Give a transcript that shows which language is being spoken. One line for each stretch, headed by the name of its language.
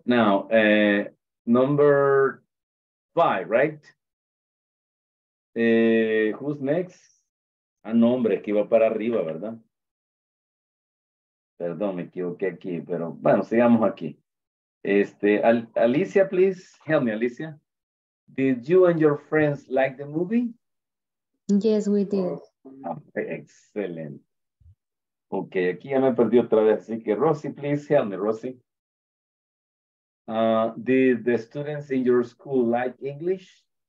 English: Now, number five, right? Who's next?
Spanish: Ah, no, hombre, aquí va para arriba, ¿verdad? Perdón, me equivoqué aquí, pero bueno, sigamos aquí.
English: Alicia, please. Help me, Alicia. Did you and your friends like the movie? Yes, we did. Oh, excellent.
Spanish: Okay, aquí ya me perdí otra vez, así que Rosy,
English: please help me, Rosy. Did the students in your school like English?